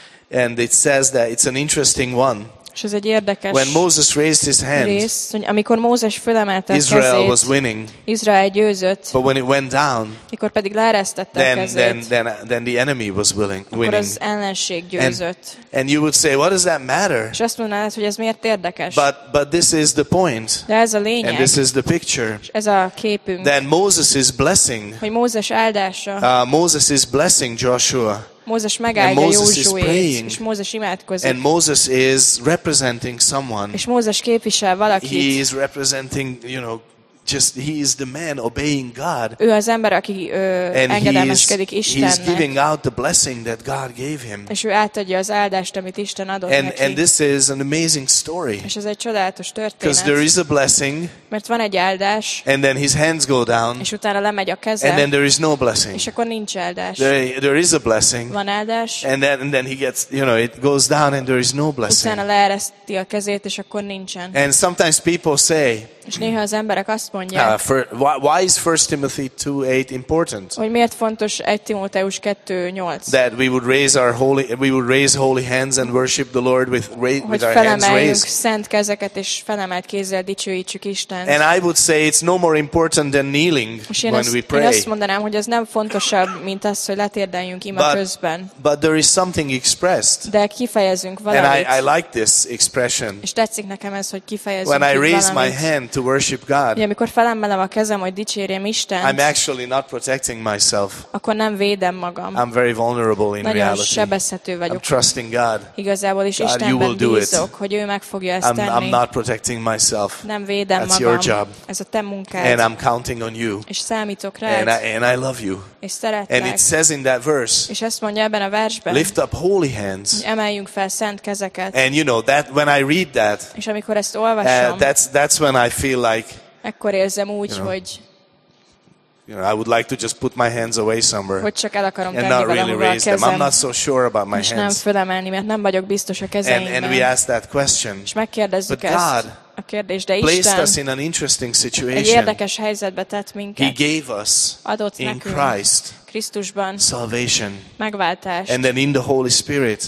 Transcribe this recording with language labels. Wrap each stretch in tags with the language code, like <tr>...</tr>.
<en>And it says that it's an interesting one.</en> <hu>És ez egy érdekes</hu> <en>when Moses raised his hand,</en> <hu>rész, hogy amikor Mózes fölemelte a kezét,</hu> <en>Israel was winning.</en> <hu>Izrael győzött.</hu> <en>But when it went down,</en> <hu>mikor pedig leeresztette</hu> <en>then,</en> <hu>a kezét,</hu> <en>then the enemy was willing, winning.</en> <hu>Akkor az ellenség győzött.</hu> <en>And you would say, what does that matter?</en> <hu>És azt mondanád, hogy ez miért érdekes?</hu> <en>But this is the point.</en> <hu>De ez a lényeg.</hu> <en>And this is the picture.</en> <hu>Ez a képünk.</hu> <en>Then Moses is blessing.</en> <hu>Hogy Mózes áldása.</hu> <en>Moses is blessing Joshua.</en> <hu>Mózes megáldja Józsuét, és Mózes imádkozik.</hu> <en>And Moses is representing someone.</en> <hu>És Mózes képvisel valakit.</hu> <en>He is representing, you know, just he is the man obeying God.</en> <hu>Ő az ember, aki engedelmeskedik Istennek.</hu> <en>He is giving out the blessing that God gave him.</en> <hu>És ő átadja az áldást, amit Isten adott neki.</hu> <en>And this is an amazing story.</en> <hu>És ez egy csodálatos történet.</hu> <en>Because there is a blessing.</en> <hu>Mert van egy áldás.</hu> <en>And then his hands go down.</en> <hu>És utána lemegy a keze.</hu> <en>And then there is no blessing.</en> <hu>És akkor nincs áldás.</hu> <en>There is a blessing.</en> <hu>Van áldás.</hu> <en>And then he gets, you know, it goes down and there is no blessing.</en> <hu>Utána leereszti a kezét, és akkor nincsen.</hu> <en>And sometimes people say,</en> <hu>és néha az emberek azt mondják,</hu> <en>why is 1 Timothy 2:8 important?</en> <hu>Hogy miért fontos 1 Timóteus 2:8?</hu> <en>That we would raise holy hands and worship the Lord with our hands raised.</en> <hu>Hogy felemeljünk szent kezeket és felemelt kézzel dicsőítsük Istent.</hu> <en>And I would say it's no more important than kneeling when we pray.</en> <hu>Én azt mondanám, hogy ez nem fontosabb, mint az, hogy letérdeljünk ima közben.</hu> <en>But there is something expressed.</en> <hu>De kifejezünk valamit.</hu> <en>And I like this expression.</en> <hu>És tetszik nekem ez, hogy kifejezünk valamit.</hu> <en>When I raise my hand to worship God.</en> <hu>Ja, amikor felemelem a kezem, hogy dicsérjem Istent.</hu> <en>I'm actually not protecting myself.</en> <hu>Akkor nem védem magam.</hu> <en>I'm very vulnerable in</en> <hu>nagyon</hu> <en>reality.</en> <hu>Nagyon sebezhető vagyok.</hu> <en>I'm trusting God.</en> <hu>Igazából is Istenben bízok, hogy ő meg fogja ezt tenni.</hu> <en>I'm not protecting myself.</en> <hu>Nem védem</hu> <en>that's your job.</en> <hu>Ez a te munkád.</hu> <en>And I'm counting on you.</en> <hu>És számítok rád.</hu> <en>And I love you.</en> <hu>És szeretlek.</hu> <en>And it says in that verse.</en> <hu>És ezt mondja ebben a versben.</hu> <en>Lift up holy hands.</en> <hu>Emeljünk fel szent kezeket.</hu> <en>And you know that when I read that.</en> <hu>És amikor ezt olvasom.</hu> <en>That's when I feel like.</en> <hu>Ekkor érzem úgy,</hu> <en>you know,</en> <hu>hogy.</hu> <en>You know, I would like to just put my hands away somewhere.</en> <hu>Hogy csak el akarom</hu> <en>and not really raise</en> <hu>kezem,</hu> <en>them. I'm not so sure about my hands.</en> <hu>És nem fölemelni, mert nem vagyok biztos a kezeimben.</hu> <en>And we ask that question.</en> <hu>És megkérdezzük ezt.</hu> <en>God,</en> <hu>a kérdés, de Isten</hu> <en>placed us in an interesting situation.</en> <hu>Egy érdekes helyzetbe tett minket.</hu> <en>He gave us</en> <hu>adott</hu> <en>in Christ</en> <hu>Krisztusban</hu> <en>salvation.</en> <hu>Megváltást.</hu> <en>And then in the Holy Spirit.</en>